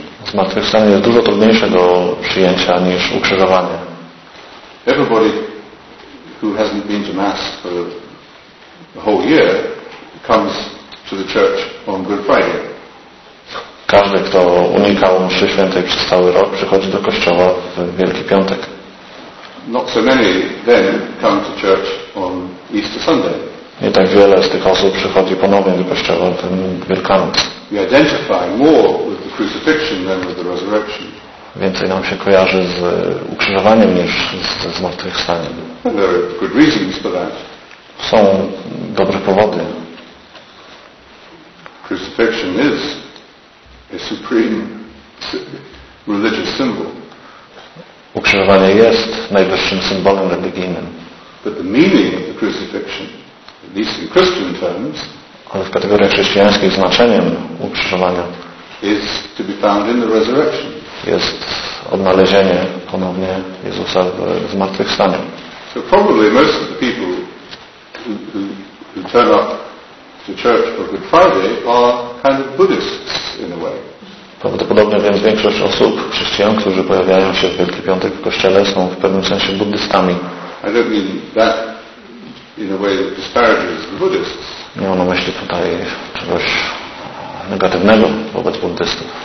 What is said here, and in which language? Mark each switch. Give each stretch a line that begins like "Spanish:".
Polish: Zmartwychwstanie jest dużo trudniejsze do przyjęcia niż ukrzyżowanie.
English: Everybody who hasn't been to mass for the whole year comes to the church on Good Friday.
Polish: Każdy, kto unikał mszy świętej przez cały rok, przychodzi do kościoła w Wielki Piątek.
English: Not so many then come to church on Easter Sunday.
Polish: Nie tak wiele z tych osób przychodzi ponownie do kościoła w Wielkanoc.
English: We identify more with the crucifixion than with the resurrection.
Polish: Więcej nam się kojarzy z ukrzyżowaniem niż ze zmartwychwstaniem.
English: There are good reasons for that.
Polish: Są dobre powody.
English: Crucifixion is a supreme religious symbol.
Polish: Ukrzyżowanie jest najwyższym symbolem religijnym.
English: But the meaning of the crucifixion, at least in Christian terms,
Polish: ale w kategoriach chrześcijańskich znaczeniem ukrzyżowania
English: is to be found in the resurrection.
Polish: Jest odnalezienie ponownie Jezusa w zmartwychwstaniu.
English: So probably most of the people who turn up to church for Good Friday are kind of Buddhists in a way.
Polish: Prawdopodobnie więc większość osób, chrześcijan, którzy pojawiają się w Wielki Piątek w kościele, są w pewnym sensie buddystami.
English: I don't mean that in a way that disparages the Buddhists.
Polish: Nie mam na myśli tutaj czegoś negatywnego wobec buddystów.